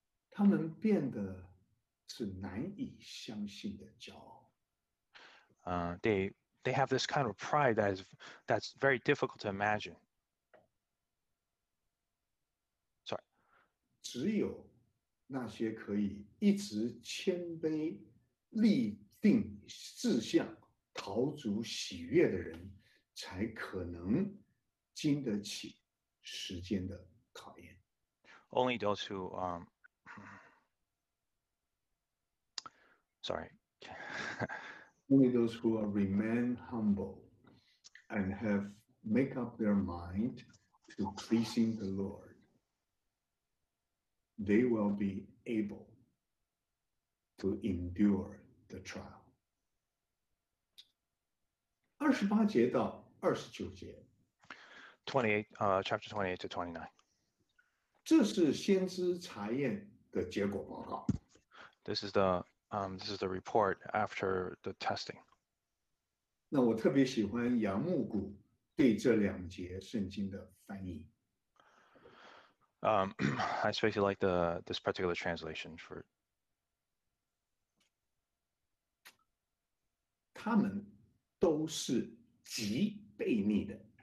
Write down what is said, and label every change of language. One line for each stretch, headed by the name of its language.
Chinese: 他们变得是难以相信的骄傲。
English: They have this kind of pride that's very difficult to imagine. Sorry.
Chinese: 只有那些可以一直谦卑、立定志向、陶足喜悦的人，才可能经得起时间的考验。
English: Only those who, sorry. Only those who remain humble and have make up their mind to pleasing the Lord. They will be able to endure the trial.
Chinese: 二十八节到二十九节
English: chapter 28 to 29.
Chinese: 这是先知查验的结果报告。
English: This is the report after the testing.
Chinese: 那我特别喜欢杨牧谷对这两节圣经的翻译。
English: I especially like this particular translation for.
Chinese: 他们都是极悖逆的。